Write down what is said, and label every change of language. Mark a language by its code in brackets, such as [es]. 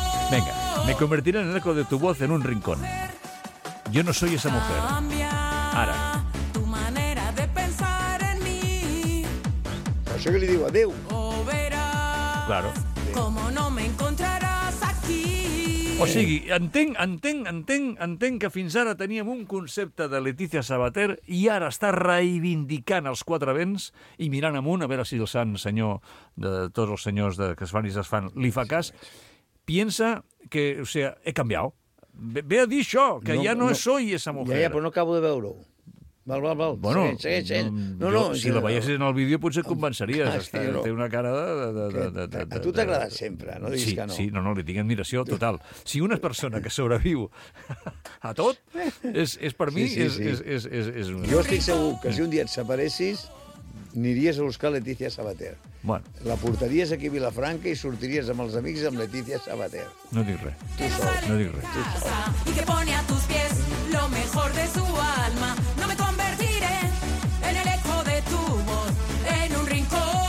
[es] Venga, me convertiré en el eco de tu voz en un rincón. Yo no soy esa mujer. [ca] Ara. [es] Tu manera de pensar en mí. [ca] Això que li diu, adéu. [es] O verás. Claro. Como no me encontrarás aquí. [ca] O sigui, entenc que fins ara teníem un concepte de Letícia Sabater i ara està reivindicant els quatre vents i mirant amunt, a veure si el sant senyor de tots els senyors que es fan i es fan li fa cas. [es] Piensa que, o sea, [ca] he canviat. Ve a dir això, que no, ja no, [es] no soy esa mujer. [ca] Ja, però no acabo de veure-ho. Val. Bueno, segueix. Si la veiessis en el vídeo, potser et convenceries. Està, no. Té una cara de a tu t'agrada sempre, no diguis sí, que no. Sí, no, li tinc admiració total. Si una persona que sobreviu a tot, és per mi... Sí. Jo estic segur que si un dia et separessis, aniries a buscar Letícia Sabater. Bueno. La portaries aquí a Vilafranca i sortiries amb els amics amb Letícia Sabater. No dic res. Tu sol. No dic res. Tu sol. [es] Y que pone a tus pies lo mejor de su alma. No me convertiré en el eco de tu voz, en un rincón.